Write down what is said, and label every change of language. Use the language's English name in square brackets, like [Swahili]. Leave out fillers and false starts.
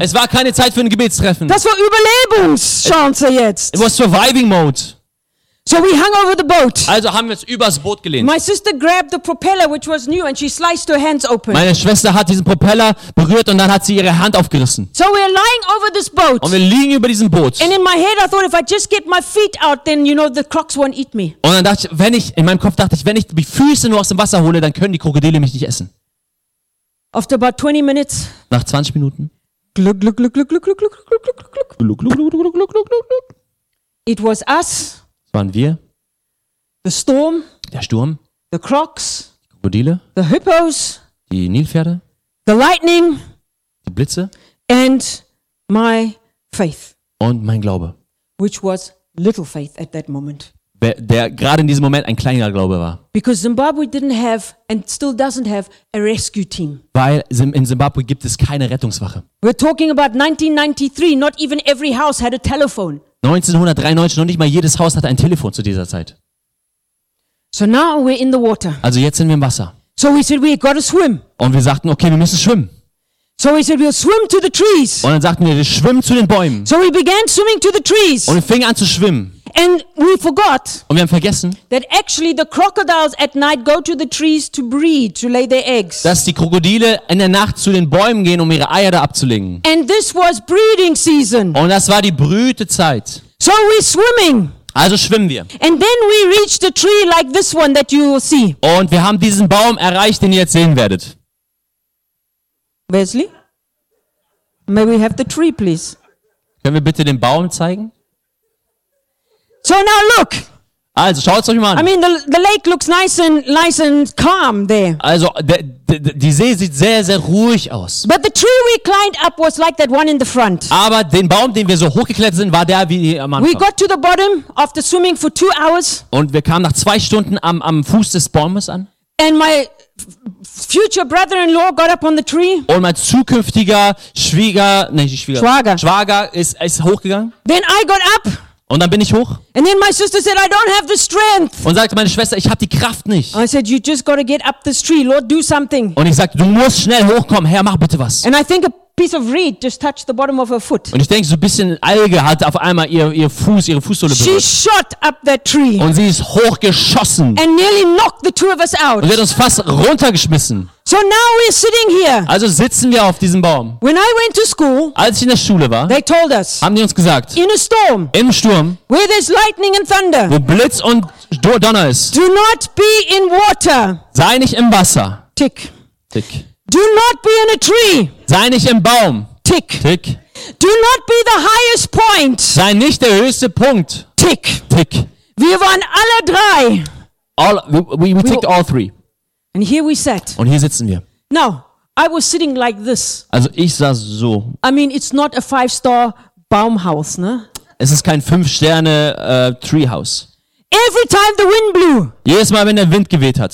[German] Es war keine Zeit für ein Gebetstreffen. Das war Überlebenschance jetzt. [English] It was surviving mode. So we hung over the boat. [German] Also haben wir uns übers Boot gelehnt. [English] My sister grabbed the propeller, which was new, and she sliced her hands open. [German] Meine Schwester hat diesen Propeller berührt und dann hat sie ihre Hand aufgerissen. [English] So we're lying over this boat. [German] Und wir liegen über diesem Boot. [English] And in my head I thought, if I just get my feet out, then you know the crocs won't eat me. [German] Und dann dachte ich, wenn ich die Füße nur aus dem Wasser hole, dann können die Krokodile mich nicht essen. [English] After about 20 minutes. [German] Nach 20 Minuten. Gluck gluck gluck gluck gluck gluck gluck gluck gluck gluck gluck gluck gluck gluck gluck gluck gluck gluck. [English] It was us. [German] Waren wir? [English] The storm, [German] der Sturm. [English] The crocs, [German] die Krokodile. [English] The hippos, [German] die Nilpferde. [English] The lightning, [German] die Blitze. [English] And my faith, [German] und mein Glaube. [English] Which was little faith at that moment. [German] Der gerade in diesem Moment ein kleiner Glaube war. [English] Because Zimbabwe didn't have and still doesn't have a rescue team. [German] Weil in Zimbabwe gibt es keine Rettungswache. [English] We're talking about 1993. Not even every house had a telephone. [German] 1993, noch nicht mal jedes Haus hatte ein Telefon zu dieser Zeit. [English] So now we're in the water. [German] Also jetzt sind wir im Wasser. [English] So we said, we gotta swim. [German] Und wir sagten, okay, wir müssen schwimmen. [English] So we said, we'll swim to the trees. [German] Und dann sagten wir schwimmen zu den Bäumen. [English] So we began swimming to the trees. [German] Und wir fingen an zu schwimmen. [English] And we forgot. [German] Und wir haben vergessen. [English] That actually the crocodiles at night go to the trees to breed, to lay their eggs. [German] Dass die Krokodile in der Nacht zu den Bäumen gehen, um ihre Eier da abzulegen. [English] And this was breeding season. [German] Und das war die Brütezeit. [English] So we swimming. [German] Also schwimmen wir. [English] And then we reach the tree like this one that you will see. [German] Und wir haben diesen Baum erreicht, den ihr jetzt sehen werdet. [English] Wesley? May we have the tree, please? [German] Können wir bitte den Baum zeigen? [English] So now look. [German] Also schaut's euch mal an. [English] I mean the lake looks nice and calm there. [German] Also die See sieht sehr sehr ruhig aus. [English] But the tree we climbed up was like that one in the front. [German] Aber den Baum, den wir so hochgeklettert sind, war der wie am Anfang. [English] We got to the bottom after swimming for 2 hours. [German] Und wir kamen nach 2 Stunden am Fuß des Baumes an. [English] And my future brother-in-law got up on the tree. [German] Und mein zukünftiger Schwager ist hochgegangen. [English] Then I got up. [German] Und dann bin ich hoch. [English] And then my sister said, I don't have the strength. [German] Und sagte meine Schwester, ich habe die Kraft nicht. [English] I said, you just gotta get up this tree, Lord, do something. [German] Und ich sagte, du musst schnell hochkommen, Herr, mach bitte was. [English] And I think piece of reed just touched the bottom of her foot. [German] Und ich denke, so ein bisschen Alge hat auf einmal ihr Fuß, ihre Fußsohle berührt. [English] She shot up that tree. [German] Und sie ist hochgeschossen. [English] And nearly knocked the two of us out. [German] Und sie hat uns fast runtergeschmissen. [English] So now we're sitting here. [German] Also sitzen wir auf diesem Baum. [English] When I went to school, [German] als ich in der Schule war, [English] they told us, [German] haben die uns gesagt, [English] in a storm, [German] im Sturm, [English] where there's lightning and thunder, [German] wo Blitz und Donner ist, [English] do not be in water. [German] Sei nicht im Wasser. [English] Tick. Tick. Do not be in a tree. [German] Sei nicht im Baum. [English] Tick. Tick. Do not be the highest point. [German] Sei nicht der höchste Punkt. [English] Tick. Tick. [German] Wir waren alle drei. [English] We ticked all three. And here we sat. [German] Und hier sitzen wir. [English] Now, I was sitting like this. [German] Also ich saß so. [English] I mean, it's not a five-star [German] Baumhaus, ne? Es ist kein 5-Sterne Treehouse. [English] Every time the wind blew. [German] Jedes Mal, wenn der Wind geweht hat.